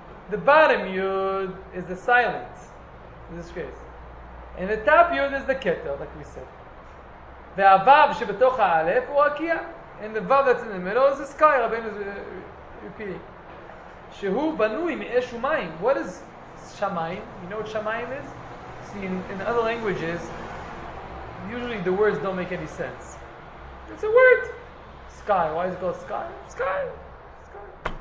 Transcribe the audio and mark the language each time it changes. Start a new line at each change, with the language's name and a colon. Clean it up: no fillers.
English: The bottom yud is the silence. This is crazy. And the top yud is the keter, like we said.
Hebrew: והוו שבתוך האלף הוא רקיע.
English: And the vav that's in the middle is the sky, Rabbeinu is repeating.
Hebrew: שהוא בנוי מאש ומים.
English: What is שמיים? You know what שמיים is? See, in other languages, usually the words don't make any sense. It's a word. Sky. Why is it called sky? Sky. Sky.